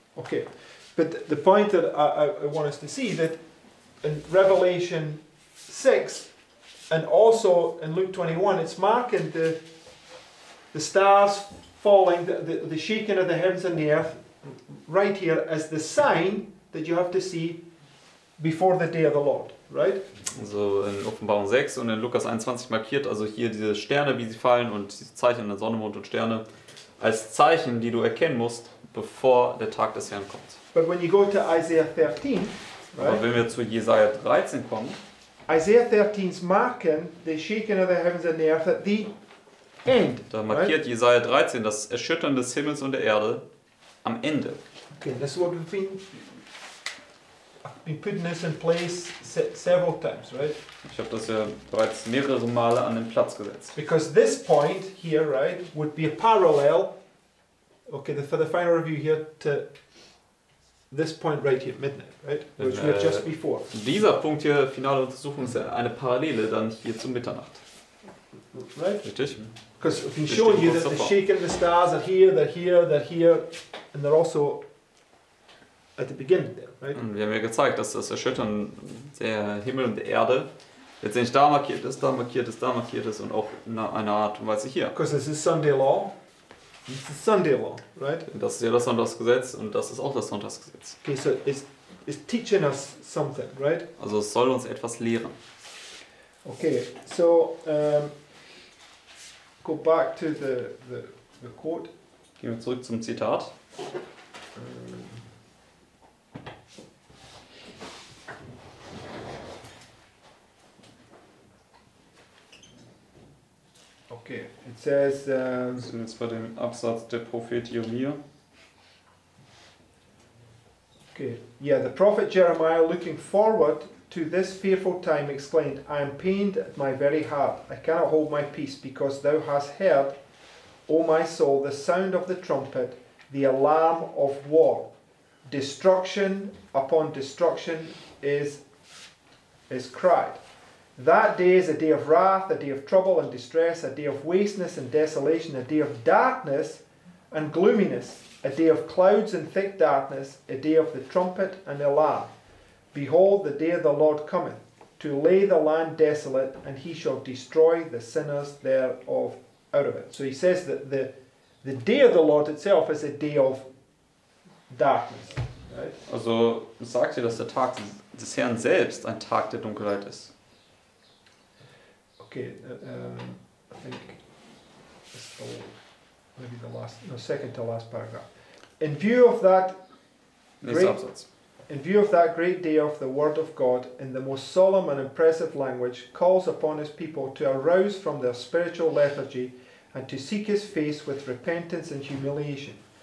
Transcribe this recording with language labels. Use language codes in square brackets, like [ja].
[en] Okay. But the point that I want us to see that in Revelation 6 and also in Luke 21, it's marking the stars falling, the shaking of the heavens and the earth right here as the sign that you have to see before the day of the Lord, right? [de] Also in Offenbarung 6 und in Lukas 21 markiert also hier diese Sterne, wie sie fallen und diese Zeichen der Sonne, Mond und Sterne als Zeichen, die du erkennen musst, bevor der Tag des Herrn kommt. [en] But when you go to Isaiah 13, right? [de] Aber wenn wir zu Jesaja 13 kommen, [en] Isaiah 13 is marking the shaking of the heavens and the earth at the end. [de] Da markiert right? Jesaja 13 das Erschüttern des Himmels und der Erde am Ende. [en] Okay, that's what we've been putting this in place several times, right? [de] Ich habe das ja bereits mehrere Male an den Platz gesetzt. [en] Because this point here, right, would be a parallel, okay, for the final review here, to this point right here, midnight, right? Which we're just before. [de] Dieser Punkt hier, finale Untersuchung, ist eine Parallele dann hier zum Mitternacht. [en] Right? [de] Richtig. [en] Because we've been showing you that the shaking of the stars are here, they're here, they're here, and they're also at the beginning there. [de] Und wir haben ja gezeigt, dass das Erschüttern der Himmel und der Erde letztendlich da markiert ist, da markiert ist, da markiert ist und auch in einer Art und Weise hier. [en] Because this is Sunday law. This is Sunday law, right? [de] Das ist ja das Sonntagsgesetz und das ist auch das Sonntagsgesetz. [en] Okay, so it's teaching us something, right? [de] Also es soll uns etwas lehren. [en] Okay, so go back to the quote. [de] Gehen wir zurück zum Zitat. [en] Okay, it says. [de] So jetzt bei dem Absatz der Prophet Jeremia. [en] Okay, yeah, the prophet Jeremiah, looking forward to this fearful time, exclaimed, "I am pained at my very heart. I cannot hold my peace, because thou hast heard, O my soul, the sound of the trumpet, the alarm of war. Destruction upon destruction is cried. That day is a day of wrath, a day of trouble and distress, a day of wasteness and desolation, a day of darkness and gloominess, a day of clouds and thick darkness, a day of the trumpet and alarm. Behold, the day of the Lord cometh, to lay the land desolate, and he shall destroy the sinners thereof out of it." So he says that the day of the Lord itself is a day of darkness. Right? [de] Also sagt ihr, dass der Tag des Herrn selbst ein Tag der Dunkelheit ist? [en] Okay, I think it's second to last paragraph. In view of that great, in view of that great day of the Word of God, in the most solemn and impressive language, calls upon his people to arouse from their spiritual lethargy and to seek his face with repentance and humiliation.